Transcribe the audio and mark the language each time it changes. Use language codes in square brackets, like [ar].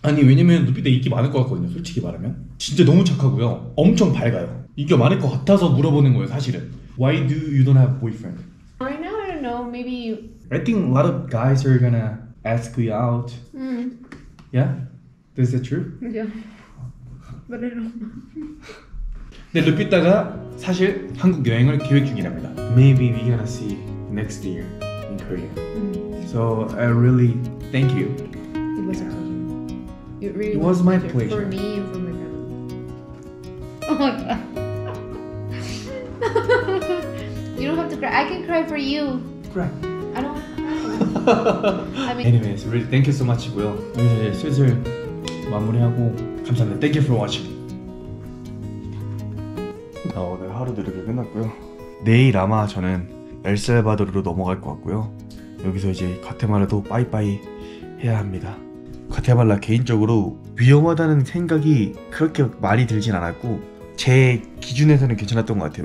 [ko] 아니, 왜냐면 루피도 인기 많을 것 같거든요, 솔직히 말하면. 진짜 너무 착하고요. 엄청 밝아요. 인기 많을 것 같아서 물어보는 거예요, 사실은. [en] Why do you don't have boyfriend? Maybe I think a lot of guys are gonna ask you out. Yeah, is that true? Yeah, but I don't know. [ko] 네, 루피따가 사실 한국 여행을 계획 중이랍니다. [en] Maybe we're gonna see next year in Korea. So I really thank you. It was a pleasure. It really was my pleasure for me and for my family. You don't have to cry. I can cry for you. I mean, anyways, really thank you so much, Will. [ko] 이제 슬슬 마무리하고 감사합니다. [en] Thank you for watching. [ko] 오늘 하루도 이렇게 끝났고요. 내일 아마 저는 엘살바도르로 넘어갈 것 같고요. 여기서 이제 과테말라도 빠이빠이 해야 합니다. 과테말라 개인적으로 위험하다는 생각이 그렇게 많이 들진 않았고 제 기준에서는 괜찮았던 것 같아요.